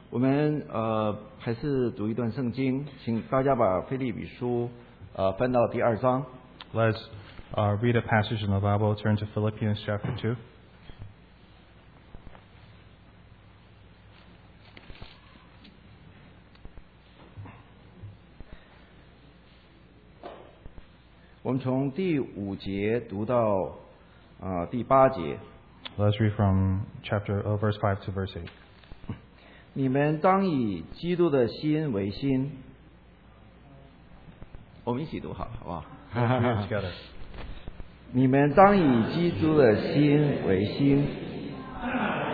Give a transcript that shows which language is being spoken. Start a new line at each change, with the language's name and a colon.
Chinese: 我们还是读一段圣经，请大家把腓立比书翻到第二章。
English: Let's read a passage in the Bible. Turn to Philippians chapter 2. Let's read from chapter verse 5 to verse 8.
Chinese: 你们当以基督的心为心。我们一起读好了，好不好？
English: Together.
Chinese: 你们当以基督的心为心。